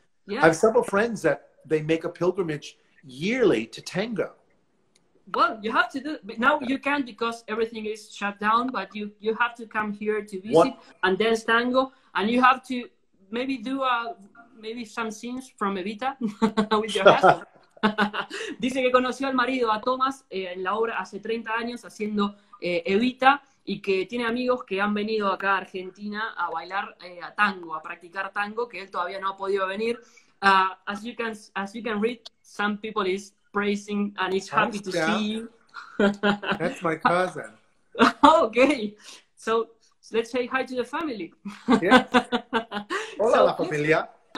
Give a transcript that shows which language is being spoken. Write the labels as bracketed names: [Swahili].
[English] Yeah. I have several friends that they make a pilgrimage yearly to tango. Well, you have to do it. Now you can't because everything is shut down, but you have to come here to visit and dance tango. And you have to maybe do maybe some scenes from Evita with your husband. [Spanish] Dice que conoció al marido, a Tomás, en la obra hace 30 años haciendo Evita, y que tiene amigos que han venido acá a Argentina a bailar a tango, a practicar tango, que él todavía no ha podido venir. [English] As you can read, some people is praising and is happy to see you. That's my cousin. Okay, so let's say hi to the family. Yeah. [Spanish] Hola, la familia.